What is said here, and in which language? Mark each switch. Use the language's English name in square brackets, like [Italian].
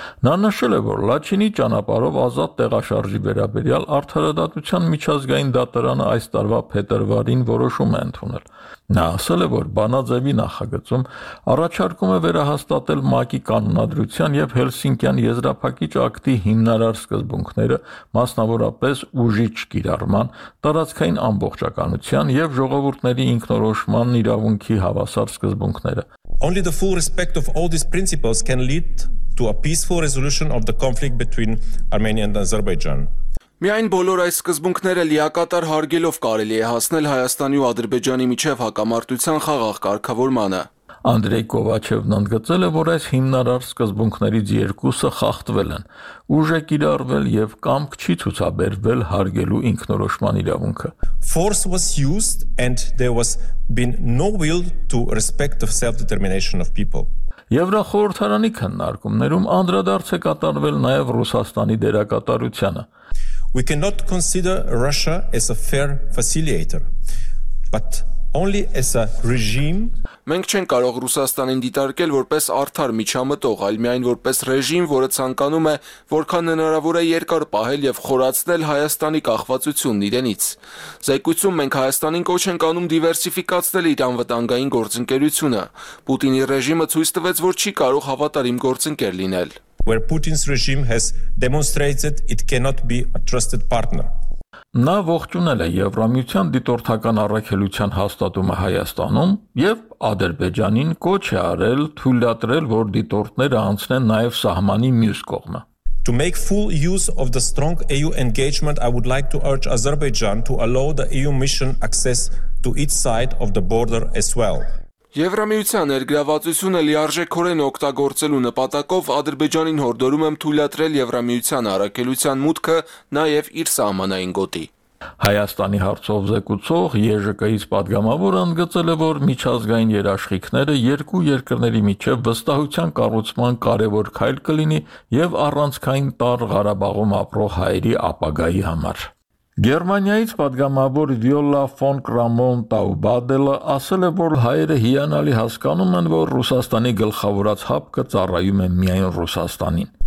[Armenian] Նա նշել է, որ Լաչինի ճանապարհով ազատ տեղաշարժի վերաբերյալ արդարադատության միջազգային դատարանը այս տարվա փետրվարին որոշում է ընդունել։ Նա ասել է, որ բանաձևի նախագծում առաջարկում է վերահաստատել ՄԱԿ-ի կանոնադրության և Հելսինկյան եզրափակիչ ակտի հիմնարար սկզբունքները, մասնավորապես ուժիչ կիրառման, տարածքային ամբողջականության և ժողովուրդների ինքնորոշման իրավունքի հավասար սկզբունքները։ [English] Only the full respect of all these principles can lead to a peaceful resolution of the conflict between Armenia and Azerbaijan. [Armenian] Միայն բոլոր այս սկզբունքները լիակատար հարգելով կարելի է հասնել Հայաստանի ու Ադրբեջանի միջև հակամարտության խաղաղ կարգավորմանը։ Անդրեյ Կովաչևն ընդգծել է, որ այս հիմնարար սկզբունքներից երկուսը խախտվել են, ուժ է կիրառվել և կամք չի ցուցաբերվել հարգելու ինքնորոշման իրավունքը. [English] Force was used and there was been no will to respect the self-determination of people. [Armenian] Եվրախորհրդարանի քննարկումներում անդրադարձ է կատարվել նաև Ռուսաստանի դերակատարությանը. [English] We cannot consider Russia as a fair facilitator, but only as a regime. [Armenian] Մենք չենք կարող Ռուսաստանին դիտարկել որպես արդար միջամտող, այլ միայն որպես ռեժիմ, որը ցանկանում է որքան հնարավոր է երկար պահել եւ խորացնել Հայաստանի կախվածությունն իրենից։ Զեկույցում մենք Հայաստանին կոչ ենք անում դիվերսիֆիկացնել իր անվտանգային գործընկերությունը։ Պուտինի ռեժիմը ցույց տվեց, որ չի կարող հավատարիմ գործընկեր լինել. [English] Where Putin's regime has demonstrated it cannot be a trusted partner. [Armenian] Նա ողջունել է Եվրամիության դիտորդական առաքելության հաստատումը Հայաստանում եւ Ադրբեջանին կոչ է արել թույլատրել, որ դիտորդները անցնեն նաեւ սահմանի մյուս կողմը. [English] To make full use of the strong EU engagement, I would like to urge Azerbaijan to allow the EU mission access to its side of the border as well. [Armenian] Եվրամիության ներգրավվածությունը լիարժեքորեն օգտագործելու նպատակով Ադրբեջանին հորդորում եմ թույլատրել Եվրամիության առաքելության մուտքը նաև իր սահմանային գոտի։ Հայաստանի հարցով զեկուցող ԵԺԿ-ից պատգամավորը ընդգծել է, որ միջազգային երաշխիքները երկու երկրների միջև վստահության կառուցման կարևոր քայլ կլինի եւ առանցքային տար Ղարաբաղում ապրող հայերի ապագայի համար։ Գերմանիայից պատգամավոր Վիոլա ֆոն Կրամոն Տաուբադելը ասել է, որ հայերը հիանալի հասկանում են, որ Ռուսաստանի գլխավորած հապկը ծառայում է միայն Ռուսաստանին։